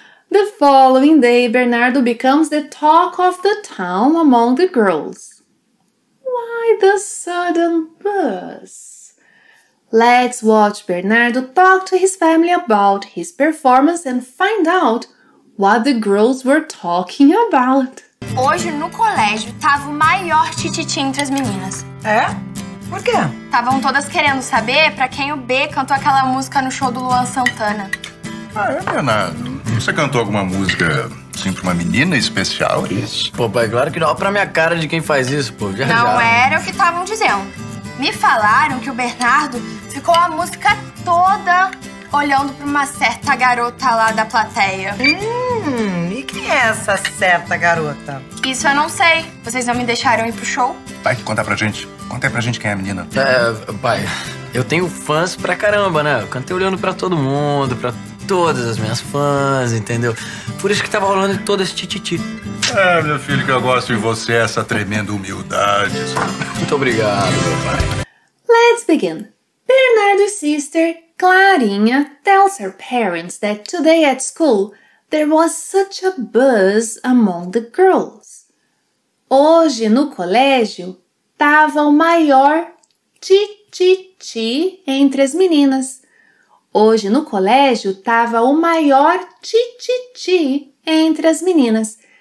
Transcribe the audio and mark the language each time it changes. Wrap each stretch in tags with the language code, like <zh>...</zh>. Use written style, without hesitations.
<en>The following day, Bernardo becomes the talk of the town among the girls. Why the sudden buzz? Let's watch Bernardo talk to his family about his performance and find out what the girls were talking about.</en> <pt>Hoje, no colégio, tava o maior tititi entre as meninas. É? Por quê? Estavam todas querendo saber pra quem o B cantou aquela música no show do Luan Santana. Ah, é, Bernardo? Você cantou alguma música assim pra uma menina especial, isso? Pô, pai, claro que não. Olha pra minha cara de quem faz isso, pô. Já, não já. Era o que estavam dizendo. Me falaram que o Bernardo ficou a música toda olhando pra uma certa garota lá da plateia. E quem é essa certa garota? Isso eu não sei. Vocês não me deixaram ir pro show? Pai, conta pra gente. Conta aí pra gente quem é a menina. É, pai, eu tenho fãs pra caramba, né? Eu cantei olhando pra todo mundo, pra todas as minhas fãs, entendeu? Por isso que tava rolando todo esse tititi. É, meu filho, que eu gosto de você, essa tremenda humildade. Muito obrigado, meu pai.</pt> <en>Let's begin. Bernardo's sister, Clarinha, tells her parents that today at school, there was such a buzz among the girls.</en> <pt>Hoje, no colégio, tava o maior tititi entre as meninas. Hoje, no colégio, tava o maior tititi entre as meninas.</pt>